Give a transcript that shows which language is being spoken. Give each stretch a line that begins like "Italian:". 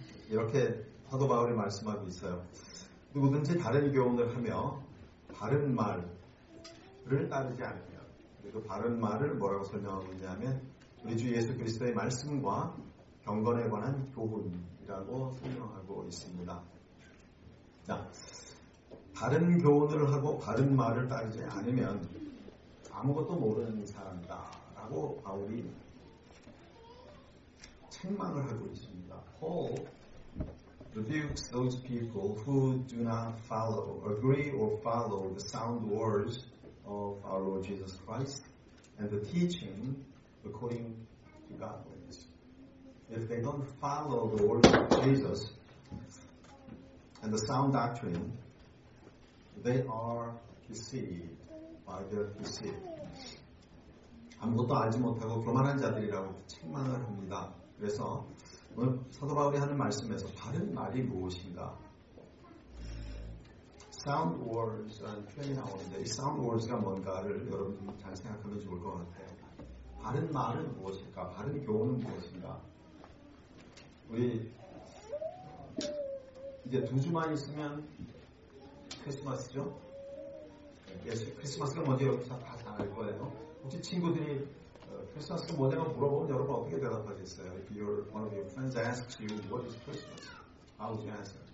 Korean: 이렇게 사도 바울이 말씀하고 있어요. 누구든지 다른 교훈을 하며 바른 말을 따르지 않으며, 그리고 바른 말을 뭐라고 설명하느냐 하면 우리 주 예수 그리스도의 말씀과 경건에 관한 교훈이라고 설명하고 있습니다. 자, 바른 교훈을 하고 바른 말을 따르지 않으면 아무것도 모르는 사람이다 라고 바울이 책망을 하고 있습니다.
English: Paul rebukes those people who do not follow, agree or follow the sound words of our Lord Jesus Christ and the teaching according to godliness. If they don't follow the words of Jesus and the sound doctrine, they are deceived. By their deceit.
Korean: 아무것도 알지 못하고 교만한 자들이라고 책망을 합니다. 그래서 오늘 사도 바울이 하는 말씀에서 바른 말이 무엇인가? Sound words 라는 표현이 나오는데 이 sound words가 뭔가를 여러분 잘 생각하면 좋을 것 같아요. 바른 말은 무엇일까? 바른 교훈은 무엇인가? 우리 이제 두 주만 있으면 크리스마스죠? 예수 크리스마스가 뭔지 여러분 다 알 거예요. 혹시 친구들이 크리스마스가 뭐냐고 물어보면 여러분 어떻게 대답하겠어요?
English: If your one of your friends asks you what is Christmas, how would you answer?